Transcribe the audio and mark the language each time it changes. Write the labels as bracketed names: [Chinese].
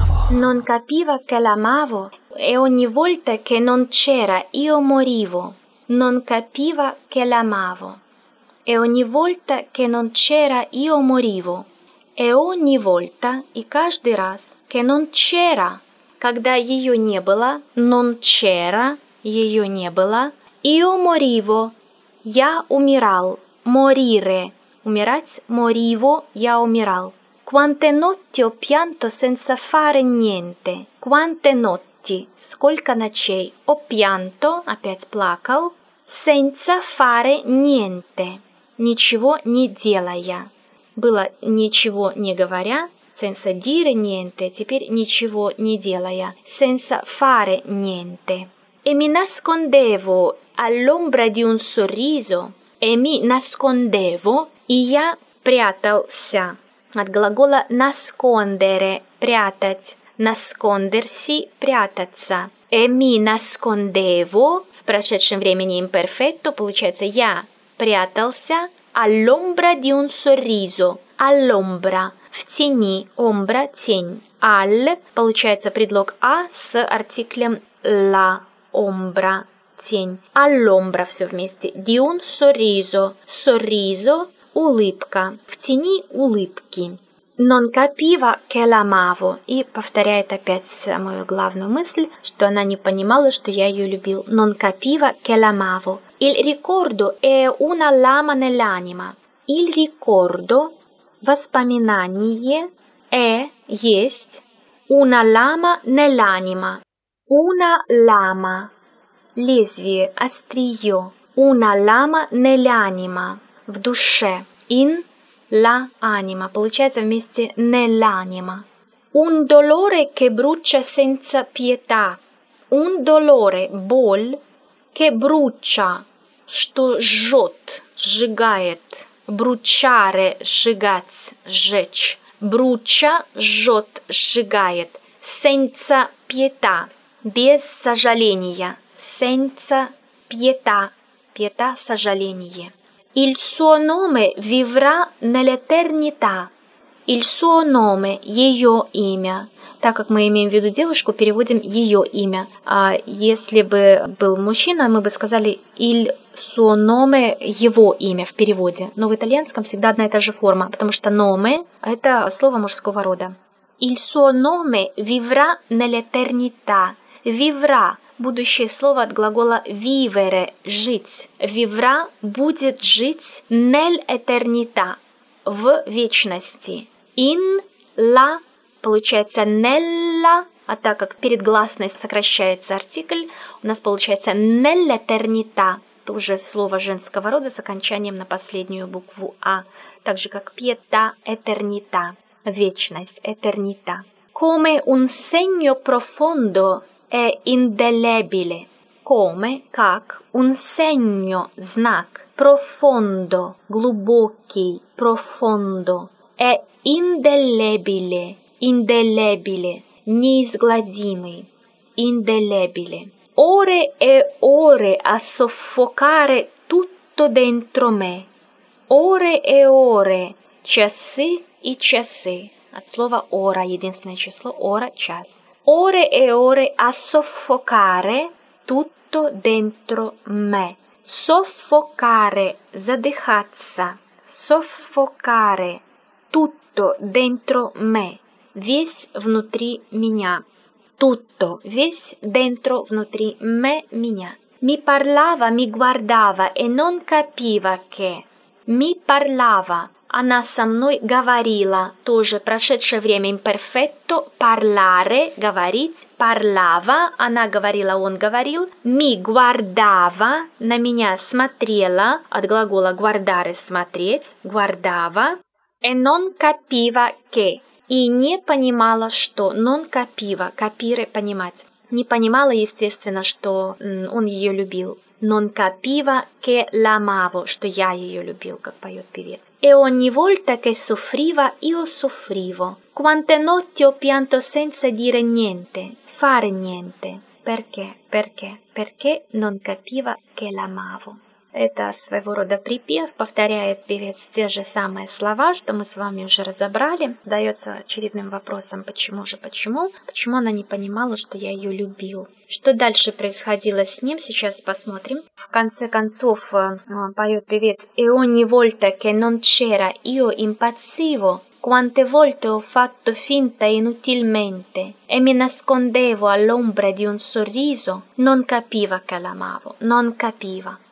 [Italian] Non capiva che l'amavo, e ogni volta che non c'era io morivo. Non capiva che l'amavo, e ogni volta che non c'era io morivo. E ogni volta, [Russian] и каждый раз, [Italian] che non c'era, [Russian] когда ее не было, [Italian] non c'era, [Russian] ее не было, [Italian] io morivo, [Russian] я умирал, morire, умирать, morivo, я умирал. [Italian] Quante notti ho pianto senza fare niente. Quante notti, [Russian] сколько ночей, [Italian] ho pianto, [Russian] опять плакал, [Italian] senza fare niente, [Russian] ничего не делая. Было ничего не говоря, [Italian] senza dire niente, [Russian] теперь ничего не делая, [Italian] senza fare niente. E mi nascondevo all'ombra di un sorriso, e mi nascondevo, [Russian] и я прятался. От глагола «наскондере» – «прятать». «Наскондерси» – «прятаться». «Эми наскондево» – в прошедшем времени имперфетто, получается «я прятался». «Аллумбра ди ун сорризо» – «аллумбра» – «в тени», «омбра» – «тень». «Алл» – получается предлог «а» с артиклем «ла» – «омбра» – «тень». «Аллумбра» – все вместе. «Ди ун сорризо» – «сорризо». Улыбка. В тени улыбки. [Italian] Non capiva che l'amavo. [Russian] И повторяет опять самую главную мысль, что она не понимала, что я ее любил. [Italian] Non capiva che l'amavo. Il ricordo è una lama nell'anima. Il ricordo, воспоминание, è, есть, una lama nell'anima. Una lama. [Russian] Лезвие, острие. [Italian] Una lama nell'anima. [Russian] В душе. [Italian] In la anima. [Russian] Получается вместе nell'anima. [Italian] Un dolore che brucia senza pietà. Un dolore, [Russian] боль, [Italian] che brucia, [Russian] что жжет, сжигает. Bruciare, сжигать, сжечь. Brucia, жжет, сжигает. [Italian] Senza pietà. [Russian] Без сожаления. [Italian] Senza pietà. [Russian] Pietà, сожаление. [Italian] Il suo nome vivrà nell'eternità. Il suo nome, [Russian] ее имя. Так как мы имеем в виду девушку, переводим ее имя. А если бы был мужчина, мы бы сказали [Italian] il suo nome, [Russian] его имя в переводе. Но в итальянском всегда одна и та же форма, потому что nome – это слово мужского рода. [Italian] Il suo nome vivrà nell'eternità. Vivrà. [Russian] Будущее слово от глагола vivere – жить. Vivrà – будет жить nell'eternità – в вечности. In la – получается nella, а так как перед гласной сокращается артикль, у нас получается nell'eternità – в то же слово женского рода с окончанием на последнюю букву «а», так же как «пьета», «этернита», «вечность», «этернита». [Italian] «Come un segno profondo e indelebile». «Come» – «как», «un segno» – «знак», «profondo» – «глубокий», «profondo» – «e indelebile», «indelebile» – «неизгладимый», «indelebile». Ore e ore a soffocare tutto dentro me. Ore e ore, [Russian] часы и часы. От слова ora, единственное число, ora, час. [Italian] Ore e ore a soffocare tutto dentro me. [Russian] Soffocare, задыхаться. [Italian] Soffocare tutto dentro me. [Russian] Весь внутри меня. Tutto, весь dentro, внутри, me, меня. [Italian] Mi parlava, mi guardava e non capiva che. Mi parlava, [Russian] она со мной говорила. Тоже прошедшее время imperfetto, parlare, говорить. Parlava, она говорила, он говорил. [Italian] Mi guardava, [Russian] на меня смотрела. От глагола guardare, смотреть. [Italian] Guardava. E non capiva che. [Russian] И не понимала, что [Italian] non capiva, [Russian] capire, понимать. Не понимала, естественно, что он ее любил. [Italian] Non capiva che l'amavo, [Russian] что я ее любил, как поет певец. [Italian] E ogni volta che soffriva, io soffrivo. Quante notti ho pianto senza dire niente. Fare niente. Perché? Perché? Perché non capiva che l'amavo. [Russian] Это своего рода припев, повторяет певец те же самые слова, что мы с вами уже разобрали. Дается очередным вопросом, почему же, почему? Почему она не понимала, что я ее любил? Что дальше происходило с ним, сейчас посмотрим. В конце концов, поет певец [Italian] «E ogni volta che non c'era io impazzivo, quante volte ho fatto finta inutilmente e mi nascondevo all'ombra di un sorriso, non capiva che l'amavo, non capiva».